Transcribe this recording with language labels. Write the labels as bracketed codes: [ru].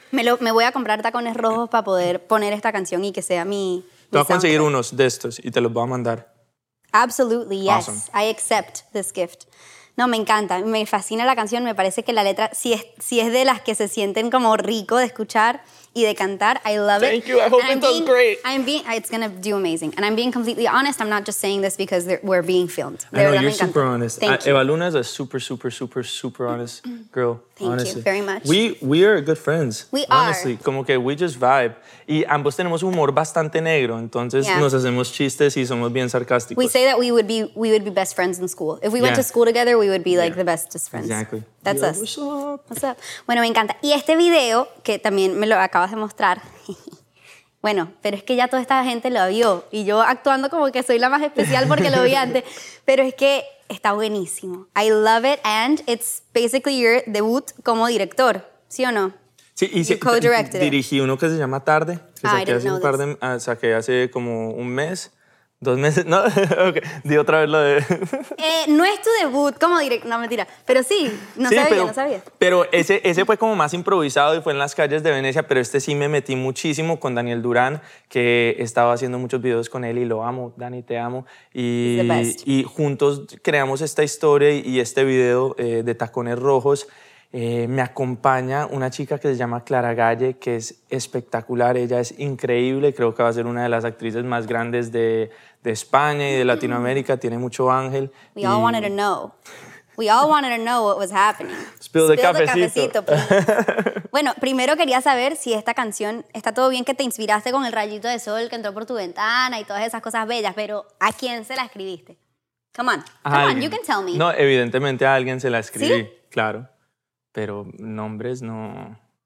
[es] Me voy a comprar tacones rojos para poder poner esta canción y que sea mi Te voy a conseguir unos de estos y te los voy a mandar. [en] Absolutely, yes. Awesome. I accept this gift. [es] No, me encanta. Me fascina la canción. Me parece que la letra, si es de las que se sienten como rico de escuchar y de cantar, [en] I love Thank it. Thank you. I hope and it does great. It's going to do amazing. And I'm being completely honest. I'm not just saying this because we're being filmed. I know, you're super honest. Thank you. Eva Luna is a super, super, super, super honest girl. Thank you very much. We are good friends. We honestly. Are. Honestly, [es] como que [en] we just vibe. [es] Y ambos tenemos humor bastante negro, entonces yeah. Nos hacemos chistes y somos bien sarcásticos. [en] We say that we would be best friends in school. If we yeah. went to school together, we would be like yeah. the bestest friends. Exactly. That's yeah, us. What's up? What's up? [es] Bueno, me encanta. Y este video, que también me lo acabas de mostrar. Bueno, pero es que ya toda esta gente lo vio. Y yo actuando como que soy la más especial porque lo vi antes. Pero es que... Está buenísimo. [en] I love it and it's basically your debut [es] como director, ¿sí o no? Sí, y [en] you co-directed [es] dirigí uno que se llama Tarde, que saqué hace como un mes, dos meses, ¿no? Okay. Di otra vez lo de... no es tu debut como director, no, mentira, pero sí, no sabía. Pero ese fue como más improvisado y fue en las calles de Venecia, pero este sí me metí muchísimo con Daniel Durán, que estaba haciendo muchos videos con él y lo amo, Dani, te amo. Y juntos creamos esta historia y este video de Tacones Rojos. Me acompaña una chica que se llama Clara Galle, que es espectacular. Ella es increíble. Creo que va a ser una de las actrices más grandes de España y de Latinoamérica. Tiene mucho ángel. [en] We all wanted to know. We all wanted to know what was happening. Spill the cafecito. [es] Bueno, primero quería saber si esta canción está todo bien que te inspiraste con el rayito de sol que entró por tu ventana y todas esas cosas bellas, pero ¿a quién se la escribiste? [en] Come on, you can tell me. [es] No, evidentemente a alguien se la escribí. ¿Sí? Claro. Pero nombres no...